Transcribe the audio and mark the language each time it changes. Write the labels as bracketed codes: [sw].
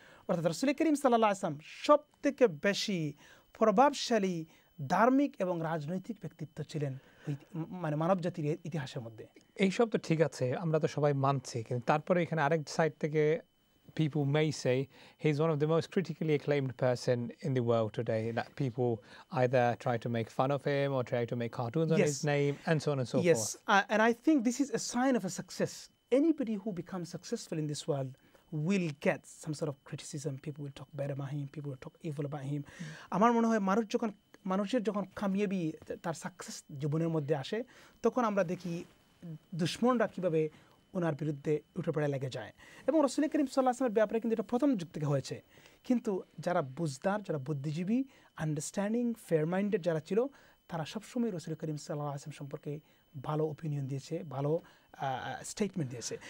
[bn] অর্থাৎ রসুল করিম সাল্লাল্লাহু আলাইহি ওয়া সাল্লাম সবথেকে বেশি প্রভাবশালী ধার্মিক এবং রাজনৈতিক ব্যক্তিত্ব ছিলেন মানে মানব জাতির ইতিহাসের মধ্যে। এইসব তো ঠিক আছে, আমরা তো সবাই মানছি, কিন্তু তারপরে এখানে আরেক সাইড থেকে [en] People may say he is one of the most critically acclaimed person in the world today, that people either try to make fun of him or try to make cartoons on his name and so on and so forth. Yes, and I think this is a sign of a success. Anybody who becomes successful in this world will get some sort of criticism. People will talk bad about him, people will talk evil about him. [bn] আমার মনে হয় মানুষের যখন কামিয়াবি তার success জীবনের মধ্যে আসে, তখন আমরা দেখি দুশ্মনরা কীভাবে ওনার বিরুদ্ধে উঠে পড়ে লেগে যায়। এবং রসুল করিম সাল্লাল্লাহু আলাইহির ব্যাপারে কিন্তু এটা প্রথম যুগ থেকে হয়েছে, কিন্তু যারা বুঝদার, যারা বুদ্ধিজীবী, আন্ডারস্ট্যান্ডিং, ফেয়ার মাইন্ডেড যারা ছিল, তারা সবসময় রসুল করিম সাল্লাল্লাহু আলাইহির সম্পর্কে ভালো ওপিনিয়ন দিয়েছে, ভালো স্টেটমেন্ট দিয়েছে।